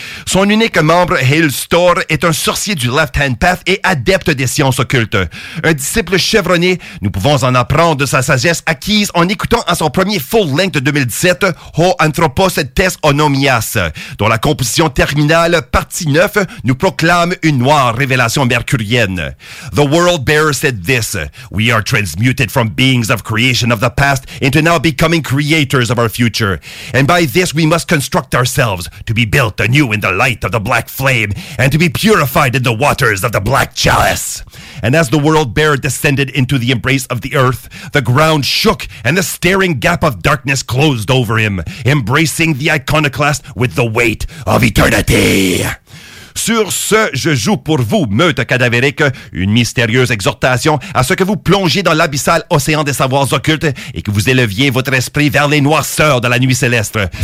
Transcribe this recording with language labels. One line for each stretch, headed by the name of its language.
French: Son unique membre, Hale Storr, est un sorcier du Left Hand Path et adepte des sciences occultes. Un disciple chevronné, nous pouvons en apprendre de sa sagesse acquise en écoutant à son premier full-length de 2017 Ho Anthropos Tes Onomias, dont la composition terminale partie 9 nous proclame une noire révélation mercurienne.
English: The World Bearer said this: We are transmuted from beings of creation of the past into now becoming creators of our future. And by this we must construct ourselves to be built anew in the light of the black flame and to be purified in the waters of the black chalice. And as the World Bearer descended into the embrace of the earth, the ground shook and the staring gap of darkness closed over him, embracing the iconoclast with the weight of eternity.
French: Sur ce, je joue pour vous, meute cadavérique, une mystérieuse exhortation à ce que vous plongiez dans l'abyssal océan des savoirs occultes et que vous éleviez votre esprit vers les noirceurs de la nuit céleste.